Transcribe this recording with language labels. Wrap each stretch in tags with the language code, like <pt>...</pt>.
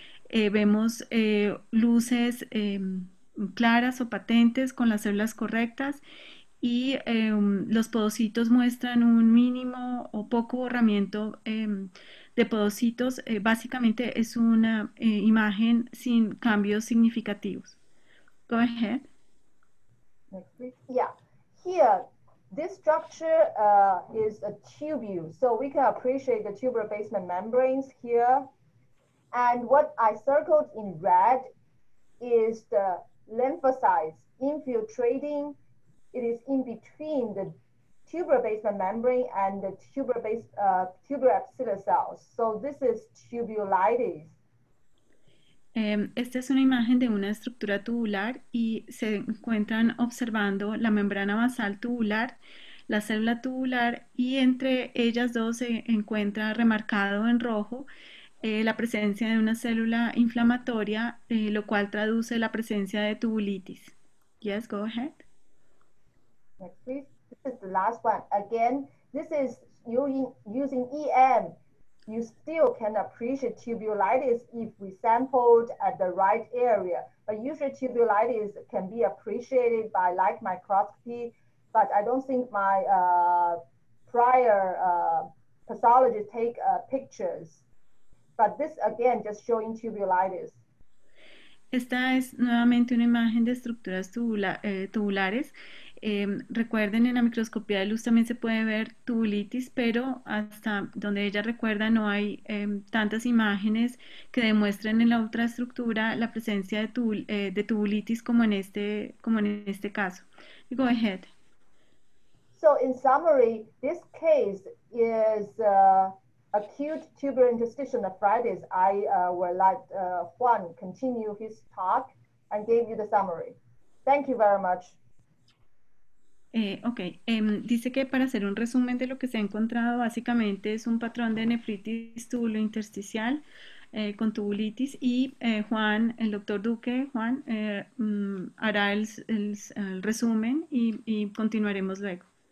<es>Vemos luces claras o patentes con las células correctas y los podocitos muestran un mínimo o poco borramiento. De podocitos, básicamente es una imagen sin cambios significativos.</es> <en>Go ahead. Yeah, here, this structure is a tubule, so we can appreciate the tubular basement membranes here. And what I circled in red is the lymphocytes infiltrating. It is in between the tuber basement membrane and the tuber epithelial cells. So this is tubulitis.</en> <es>Esta es una imagen de una estructura tubular y se encuentran observando la membrana basal tubular, la célula tubular, y entre ellas dos se encuentra remarcado en rojo la presencia de una célula inflamatoria, lo cual traduce la presencia de tubulitis.</es> <en>Yes, go ahead. Next, please. This is the last one. Again, this is using EM. You still can appreciate tubulitis if we sampled at the right area. But usually tubulitis can be appreciated by light microscopy. But I don't think my prior pathologist take pictures. But this again just showing tubulitis.</en> <es>Esta es nuevamente una imagen de estructuras tubulares. Recuerden, en la microscopía de luz también se puede ver tubulitis, pero hasta donde ella recuerda no hay tantas imágenes que demuestren en la otra estructura la presencia de tubulitis como en este caso.</es> <en>Go ahead. So in summary, this case is acute tuberous interstitial nephritis. I will let Juan continue his talk and gave you the summary. Thank you very much.</en> <es>Dice que para hacer un resumen de lo que se ha encontrado, básicamente es un patrón de nefritis tubulointersticial con tubulitis, y Juan, el doctor Duque, Juan, hará el resumen y continuaremos luego.</es>